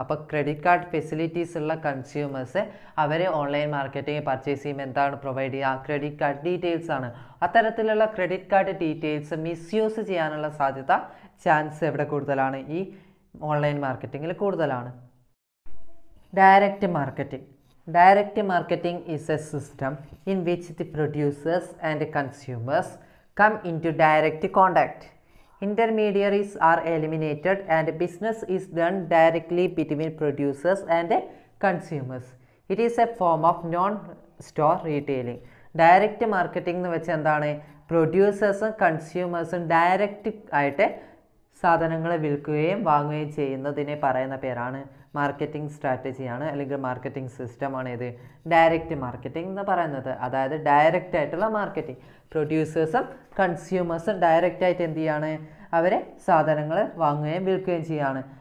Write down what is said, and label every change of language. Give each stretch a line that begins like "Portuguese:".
Malayalam: അപ്പോൾ credit card facilities ഉള്ള consumers അവരെ ഓൺലൈൻ മാർക്കറ്റിംഗ് പർച്ചേസ് ചെയ്യുമ്പോൾ എന്താണ് പ്രൊവൈഡ് ചെയ്യുക, ക്രെഡിറ്റ് കാർഡ് ഡീറ്റെയിൽസ് ആണ്. അത്തരത്തിലുള്ള ക്രെഡിറ്റ് കാർഡ് ഡീറ്റെയിൽസ് മിസ്യൂസ് ചെയ്യാനുള്ള സാധ്യത, ചാൻസ് എവിടെ കൂടുതലാണ്, ഈ ഓൺലൈൻ മാർക്കറ്റിങ്ങിൽ കൂടുതലാണ്. Direct marketing.
English: Direct marketing is a system in which the producers and consumers come into direct contact. Intermediaries are eliminated and business is done directly between producers and consumers. It is a form of non-store retailing.
Malayalam: Direct marketing nu vacha endane,
English: producers and consumers
Malayalam: direct aayite സാധനങ്ങളെ വിൽക്കുകയും വാങ്ങുകയും ചെയ്യുന്നതിനെ പറയുന്ന പേരാണ്, marketing സ്ട്രാറ്റജിയാണ് അല്ലെങ്കിൽ marketing സിസ്റ്റമാണ് ഇത്, direct marketing എന്ന് പറയുന്നത്. അതായത് ഡയറക്റ്റ് ആയിട്ടുള്ള മാർക്കറ്റിംഗ്, പ്രൊഡ്യൂസേഴ്സും കൺസ്യൂമേഴ്സും ഡയറക്റ്റ് ആയിട്ട് എന്ത് ചെയ്യാണ്, അവരെ സാധനങ്ങൾ വാങ്ങുകയും വിൽക്കുകയും ചെയ്യുകയാണ്.